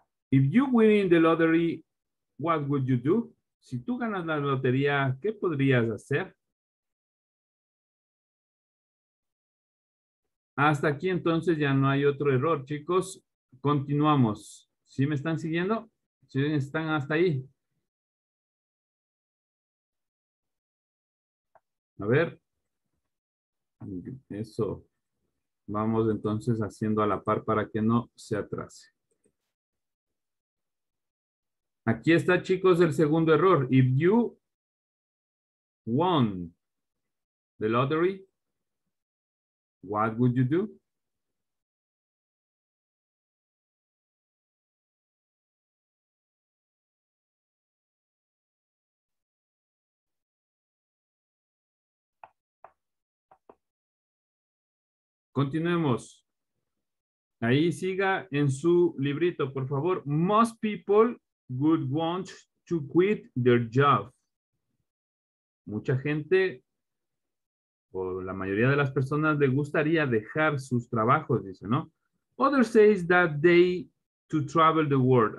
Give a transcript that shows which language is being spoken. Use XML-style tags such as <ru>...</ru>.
<en>If you win the lottery, what would you do?</en> <es>Si tú ganas la lotería, ¿qué podrías hacer? Hasta aquí, entonces, ya no hay otro error, chicos. Continuamos. ¿Sí me están siguiendo? ¿Sí están hasta ahí? A ver, eso, vamos entonces haciendo a la par para que no se atrase. Aquí está, chicos, el segundo error.</es> <en>If you won the lottery, what would you do?</en> <es>Continuemos. Ahí siga en su librito, por favor.</es> <en>Most people would want to quit their job.</en> <es>Mucha gente, o la mayoría de las personas, le gustaría dejar sus trabajos, dice, ¿no?</es> <en>Others say that they to travel the world.</en>